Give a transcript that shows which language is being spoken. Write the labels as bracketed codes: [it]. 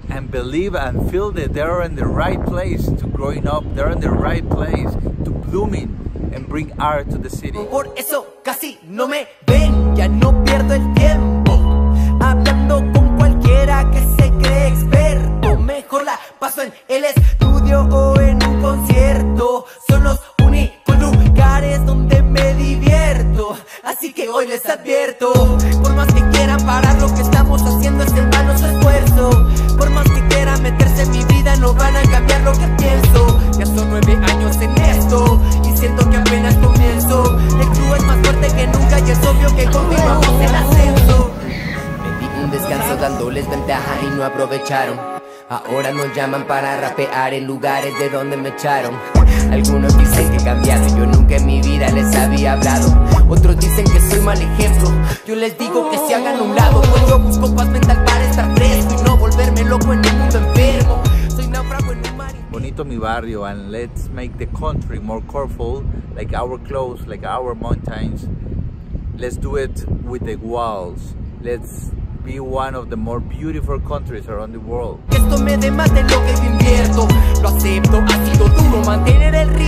[en] Believe and feel that they are in the right place to growing up, they are in the right place to blooming and bring art to the city. [es] Por eso casi no me ven, ya no pierdo el tiempo hablando con cualquiera que se cree experto. Mejor la paso en el estudio o en un concierto. Son los únicos lugares donde me divierto, así que hoy les advierto. Por más que quieran parar, lo que estamos haciendo es en vano su esfuerzo. Por más que meterse en mi vida, no van a cambiar lo que pienso. Ya son 9 años en esto y siento que apenas comienzo. El club es más fuerte que nunca y es obvio que continuamos el ascenso. Me di un descanso dándoles ventaja y no aprovecharon. Ahora nos llaman para rapear en lugares de donde me echaron. Algunos dicen que he cambiado, yo nunca en mi vida les había hablado. Otros dicen que soy mal ejemplo, yo les digo que se hagan a un lado. Pues yo busco paz mental para estar fresco y no volverme loco en el mundo enfermo. Soy náufrago en un mar. [en] Bonito mi barrio, and let's make the country more colorful, like our clothes, like our mountains. Let's do it with the walls. Let's be one of the more beautiful countries around the world. [es] Esto me demate lo que te invierto. Lo acepto, ha sido duro mantener el.